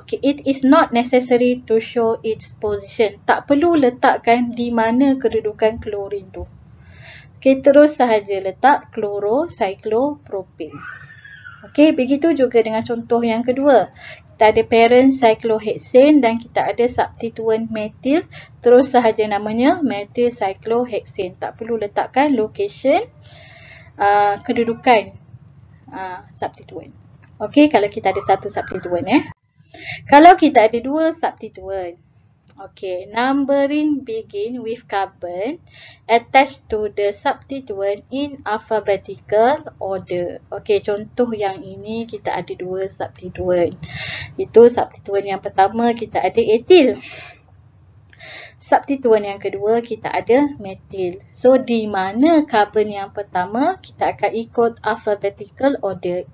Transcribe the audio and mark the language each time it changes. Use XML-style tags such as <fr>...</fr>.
<en>Okey, it is not necessary to show its position.</en> <ms>Tak perlu letakkan di mana kedudukan klorin tu. Okey, terus sahaja letak chloro cyclopropane. Okey, begitu juga dengan contoh yang kedua. Kita ada parent cyclohexane dan kita ada substituent methyl. Terus sahaja namanya methyl cyclohexane. Tak perlu letakkan location kedudukan substituent. Okey, kalau kita ada satu substituent . Kalau kita ada dua substituent.</ms> <en>Okey, numbering begin with carbon attached to the substituent in alphabetical order.</en> <ms>Okey, contoh yang ini kita ada dua substituent. Itu substituent yang pertama kita ada etil. Substituent yang kedua kita ada metil. So, di mana carbon yang pertama kita akan ikut alphabetical order.</ms>